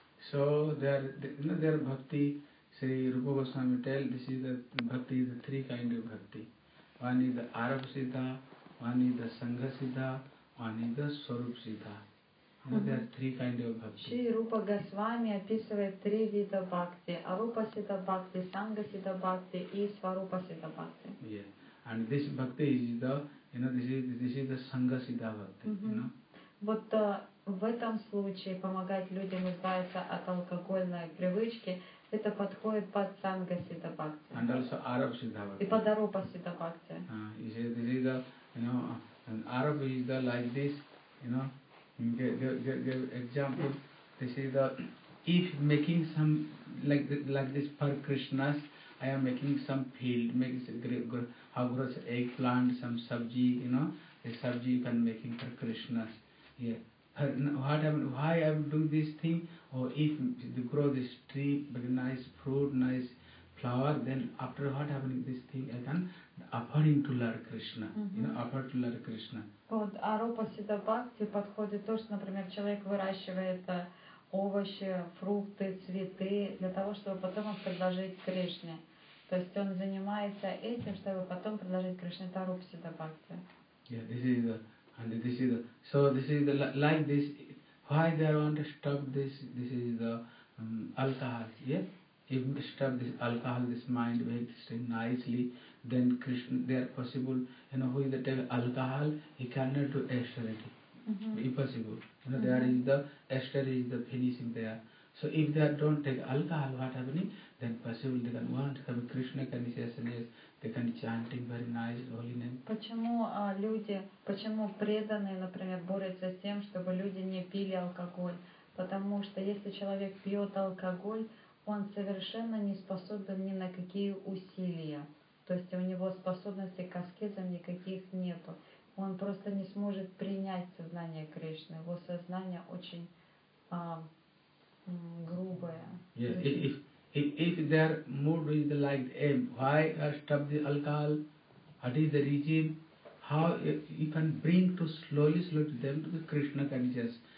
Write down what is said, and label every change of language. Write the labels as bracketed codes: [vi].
[en] So their bhakti, Sri Rupa Goswami tell, this is the bhakti, the three kind of bhakti. One is the Arab Siddha, one is the Sangha Siddha, one is the Swarup Siddha. There are three kinds of bhakti. [ru] Shri Rupa Goswami описывает три вида бхакти. Арупа Сидда Бхакти, Санга Сидда Бхакти и Сварупа Сидда Бхакти. [en] Yeah. And this bhakti is the, you know, this is the Sangha Siddha Bhakti, you know. [ru] В этом случае помогать людям избавиться от алкогольной привычки, это подходит под Санга Сидда Бхакти. [en] And also Арупа Сидда Бхакти. [ru] И под Арупа Сидда Бхакти. [en] And Arab is the like this, you know, give example, this is the, if making some, like this for Krishna's, I am making some field, make how grows eggplant, some sabji, you know, the sabji you can making for Krishna's, yeah. Why I am doing this thing, or if you grow this tree, very nice fruit, nice flower, then after what happening this thing, I can offering to Lord Krishna, you know, offer to Lord Krishna. [ru] Вот Арупа Сидда Бхакти подходит то, что, например, человек выращивает овощи, фрукты, цветы для того, чтобы потом их предложить Кришне. То есть он занимается этим, чтобы потом предложить Кришне. Это Арупа Сидда Бхакти. [en] Yeah, this is the, and this is the, so this is the, like this, why they want to stop this, this is the alcohol, yeah? If stop this alcohol, this mind makes it nicely, then Krishna, they are possible, you know, who is the alcohol, he cannot do austerity, impossible, you know, there is the austerity, the finishing there. So if they don't take alcohol, what happening, then possible, they can want to have Krishna consciousness, they can chanting very nice, holy name. [ru] Почему люди, почему преданные, например, борются с тем, чтобы люди не пили алкоголь? Потому что если человек пьет алкоголь, он совершенно не способен ни на какие усилия. То есть у него способности к аскезам никаких нету. он просто не сможет принять сознание Кришны. Его сознание очень грубое. [en] If their mood is like them, why stop the alcohol? What is the regime? How you can bring to slowly to them to the Krishna consciousness?